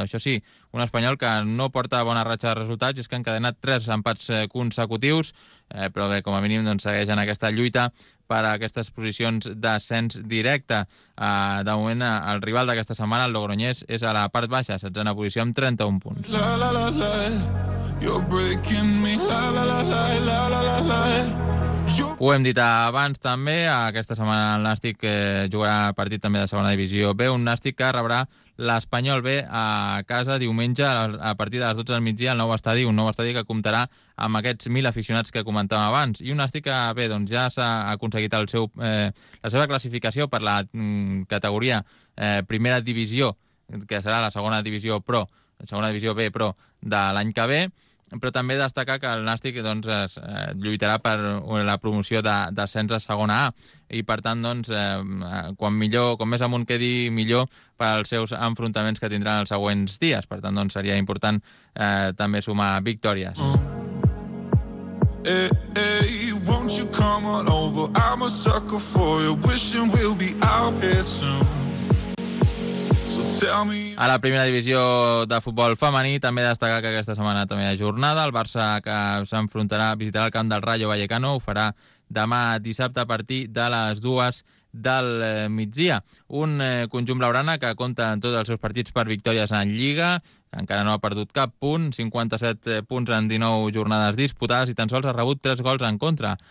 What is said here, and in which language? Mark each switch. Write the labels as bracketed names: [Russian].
[Catalan] Això sí, un Espanyol que no porta bona ratxa de resultats, és que ha encadenat 3 empats consecutius, però bé, com a mínim doncs segueix en aquesta lluita per a aquestes posicions d'ascens directe. De moment, el rival d'aquesta setmana, el Logroñés, és a la part baixa, 16a posició, amb 31 punts. La, la, la, la, [English] you're breaking me. La, la, la, la, la, la, la, la. [Catalan] Ho hem dit abans també, aquesta setmana el Nàstic jugarà partit també de segona divisió B, un Nàstic que rebrà l'Espanyol B a casa diumenge a partir de les 12 del migdia al nou estadi, un nou estadi que comptarà amb aquests 1.000 aficionats que comentàvem abans. I un Nàstic que bé, doncs ja s'ha aconseguit la seva classificació per la categoria primera divisió, que serà la segona divisió Pro segona divisió B, però de l'any que ve, però també destacar que el Nàstic doncs, es, lluitarà per la promoció d'ascens a segona A, i per tant, doncs, quan millor, com més amunt quedi, millor per als seus enfrontaments que tindran els següents dies. Per tant, doncs, seria important també sumar victòries. [English] Hey, won't you come on over? I'm a sucker for you. Wishing we'll be out here soon. [Catalan] A la primera divisió de futbol femení, també destaca que aquesta setmana també hi ha jornada. El Barça, que s'enfrontarà, visitarà el camp del Rayo Vallecano, ho farà demà dissabte a partir de les dues del migdia. Un conjunt blaugrana que compta en tots els seus partits per victòries en Lliga, encara no ha perdut cap punt, 57 punts en 19 jornades disputades i tan sols ha rebut 3 gols en contra.